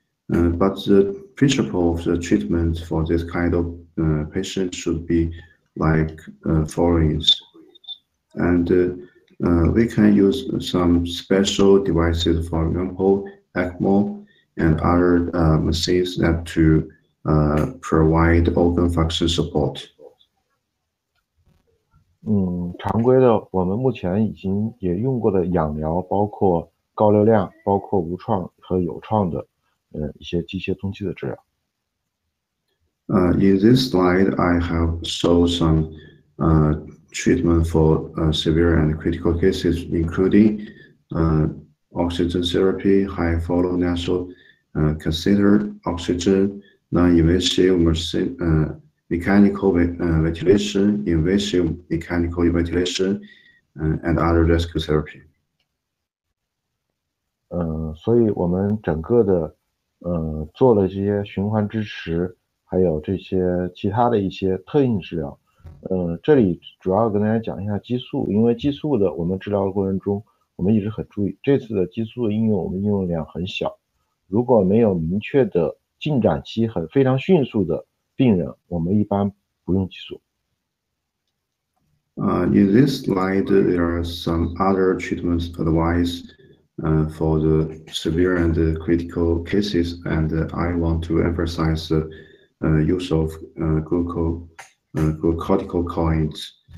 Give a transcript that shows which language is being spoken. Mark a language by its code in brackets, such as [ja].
[en] But the principle of the treatment for this kind of patient should be like following. And we can use some special devices, for example, ECMO and other machines that to provide organ function support. [zh] 常规的我们目前已经也用过的氧疗包括高流量包括无创和有创的一些机械通气的治疗。 [en] In this slide, I have shown some treatment for severe and critical cases, including oxygen therapy, high flow nasal catheter, oxygen, non-invasive machine,mechanical ventilation, invasive mechanical ventilation, and other rescue therapy. [zh] 所以我们整个的做了这些循环支持，还有这些其他的一些特应治疗。这里主要跟大家讲一下激素，因为激素的我们治疗的过程中，我们一直很注意。这次的激素的应用，我们应用量很小。如果没有明确的进展期，很非常迅速的。病人我们一般不用激素。 [en] In this slide, there are some other treatment advice for the severe and critical cases, and I want to emphasize the use of glucocorticoids.